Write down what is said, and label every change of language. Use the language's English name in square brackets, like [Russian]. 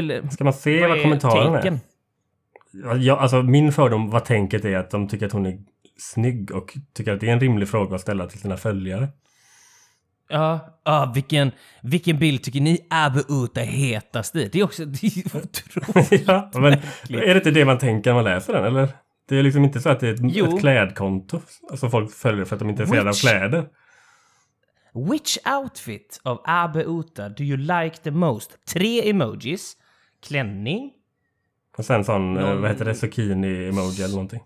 [Swedish] Ska man se vad kommentaren är? Ja, alltså min fördom, vad tänket är, att de tycker att hon är snygg och tycker att det är en rimlig fråga att ställa till sina följare. Ja, vilken bild tycker ni Abe Uta hetast i? Det är också otroligt. Ja, men är det inte det man tänker när man läser den, eller? Det är liksom inte så att det är ett klädkonto som alltså folk följer för att de är intresserade av kläder. [English] Which outfit of Abe Uta do you like the most? [Swedish] Tre emojis. Klänning. Och sen sån, vad heter det, zucchini-emoji eller någonting.